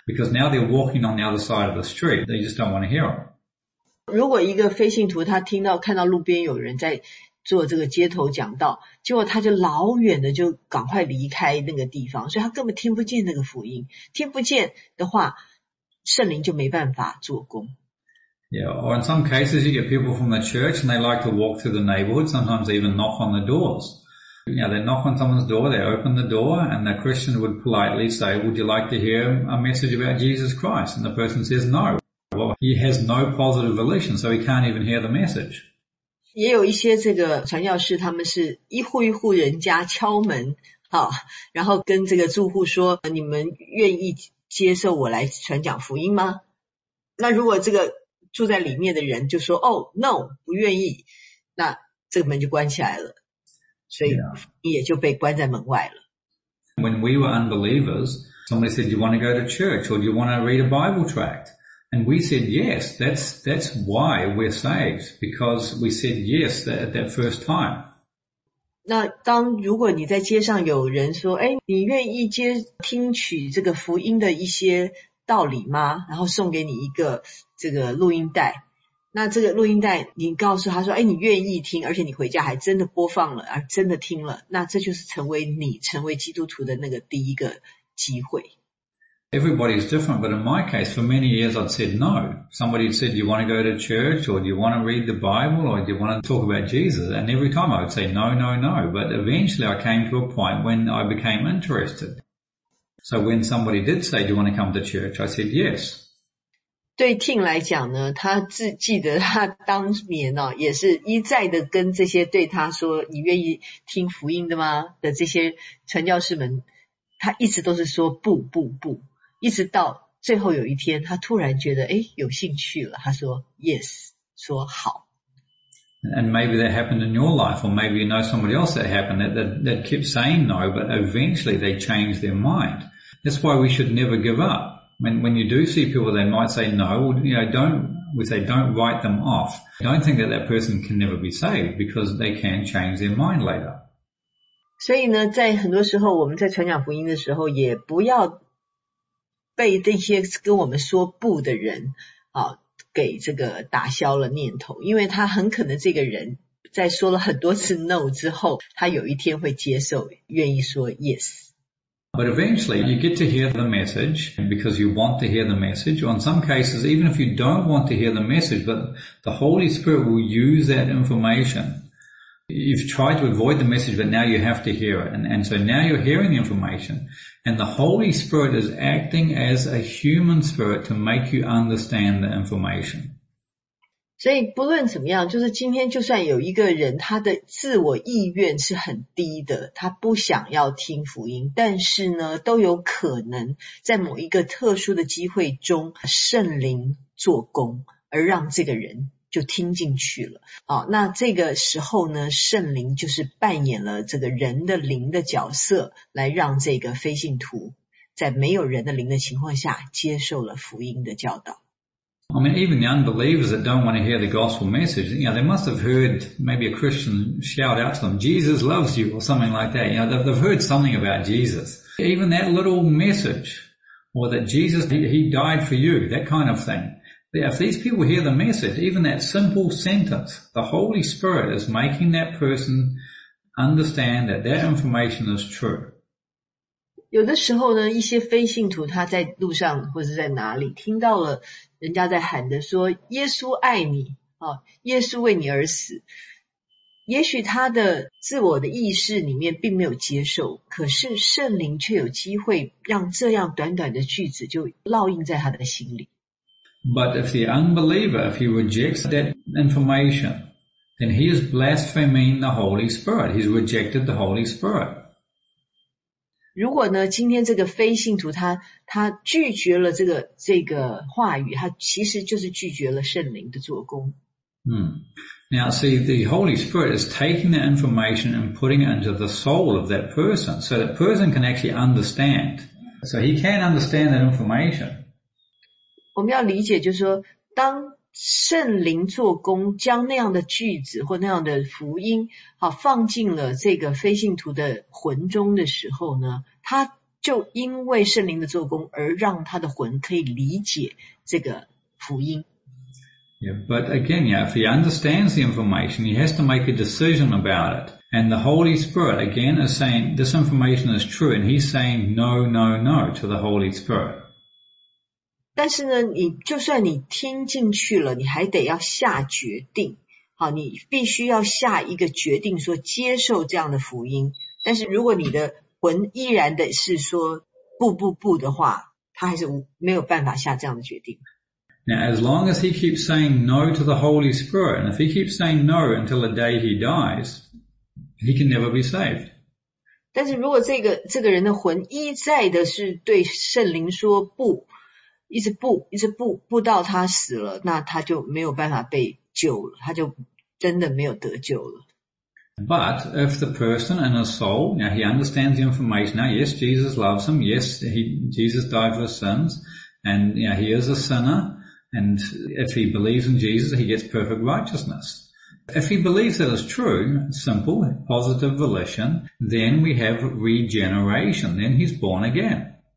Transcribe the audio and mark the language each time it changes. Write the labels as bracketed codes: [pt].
[en] Because now they're walking on the other side of the street. They just don't want to hear him. [zh] 如果一个非信徒他听到看到路边有人在做这个街头讲道，结果他就老远的就赶快离开那个地方，所以他根本听不见那个福音，听不见的话圣灵就没办法做工。 [en] Yeah, or in some cases you get people from the church and they like to walk through the neighborhood, sometimes they even knock on the doors. You know, they knock on someone's door, they open the door, and the Christian would politely say, would you like to hear a message about Jesus Christ? And the person says no. Well, he has no positive volition, so he can't even hear the message. [zh] 也有一些这个传教士，他们是一户一户人家敲门，好，然后跟这个住户说，你们愿意接受我来传讲福音吗？那如果这个住在里面的人就说，哦 ， [en] no， [zh] 不愿意，那这个门就关起来了，所以也就被关在门外了。 [en] When we were unbelievers, somebody said, do you want to go to church or do you want to read a Bible tract? And we said, yes, that's why we're saved, because we said yes that first time. [zh] 那当如果你在街上有人说，诶，你愿意接听取这个福音的一些道理吗？然后送给你一个这个录音带。那这个录音带你告诉他说，诶，你愿意听，而且你回家还真的播放了，而真的听了。那这就是成为你成为基督徒的那个第一个机会。 [en] Everybody is different, but in my case, for many years, I'd said no. Somebody said, do you want to go to church, or do you want to read the Bible, or do you want to talk about Jesus? And every time I would say no, no, no. But eventually, I came to a point when I became interested. So when somebody did say, do you want to come to church, I said yes. [zh] 对 Tim 来讲呢，他记得他当年哦，也是一再的跟这些对他说，你愿意听福音的吗？的这些传教士们，他一直都是说不，不，不。一直到最后有一天他突然觉得，诶，有兴趣了，他说 [en] yes， [zh] 说好。 [en] And maybe that happened in your life, or maybe you know somebody else that happened that kept saying no, but eventually they changed their mind. That's why we should never give up. When you do see people, they might say no, you know, don't write them off. Don't think that person can never be saved, because they can change their mind later. [zh] 所以呢，在很多时候我们在传讲福音的时候也不要被这些跟我们说不的人啊，给这个打消了念头，因为他很可能这个人在说了很多次 [en] no [zh] 之后，他有一天会接受，愿意说 [en] yes。 But eventually you get to hear the message because you want to hear the message. Or in some cases, even if you don't want to hear the message, but the Holy Spirit will use that information. You've tried to avoid the message, but now you have to hear it, and so now you're hearing the information. And the Holy Spirit is acting as a human spirit to make you understand the information. [zh] 所以不论怎么样，就是今天就算有一个人他的自我意愿是很低的，他不想要听福音，但是呢，都有可能在某一个特殊的机会中圣灵做工，而让这个人就听进去了。那这个时候呢，圣灵就是扮演了这个人的灵的角色，来让这个非信徒在没有人的灵的情况下接受了福音的教导。 [en] I mean, even the unbelievers that don't want to hear the gospel message, you know, they must have heard maybe a Christian shout out to them, Jesus loves you or something like that. You know, they've heard something about Jesus. Even that little message, or that Jesus, he died for you, that kind of thing. If these people hear the message, even that simple sentence, the Holy Spirit is making that person understand that that information is true. [zh] 有的时候呢，一些非信徒他在路上或是在哪里听到了人家在喊的说耶稣爱你、哦、耶稣为你而死，也许他的自我的意识里面并没有接受，可是圣灵却有机会让这样短短的句子就烙印在他的心里。 [en] But if the unbeliever, if he rejects that information, then he is blaspheming the Holy Spirit. He's rejected the Holy Spirit. [zh] 如果呢，今天这个非信徒他拒绝了这个话语，他其实就是拒绝了圣灵的做工。 [en] Now see, the Holy Spirit is taking that information and putting it into the soul of that person, so that person can actually understand. So he can understand that information. [zh] 我们要理解就是说，当圣灵做工，将那样的句子或那样的福音好放进了这个非信徒的魂中的时候呢，他就因为圣灵的做工而让他的魂可以理解这个福音。 [en] Yeah, but again, yeah, if he understands the information, he has to make a decision about it. And the Holy Spirit, again, is saying, this information is true, and he's saying no, no, no to the Holy Spirit. [zh] 但是呢，你就算你听进去了，你还得要下决定。好，你必须要下一个决定，说接受这样的福音。但是如果你的魂依然的是说不不不的话，他还是没有办法下这样的决定。 [en] Now, as long as he keeps saying no to the Holy Spirit, and if he keeps saying no until the day he dies, he can never be saved. [zh] 但是如果这个人的魂一再的是对圣灵说不。一直不，一直不，不到他死了，那他就没有办法被救了，他就真的没有得救了。 [en] But if the person in his soul, now he understands the information, now yes, Jesus loves him, yes, Jesus died for his sins, and you know, he is a sinner, and if he believes in Jesus, he gets perfect righteousness. If he believes that it's true, simple, positive volition, then we have regeneration, then he's born again.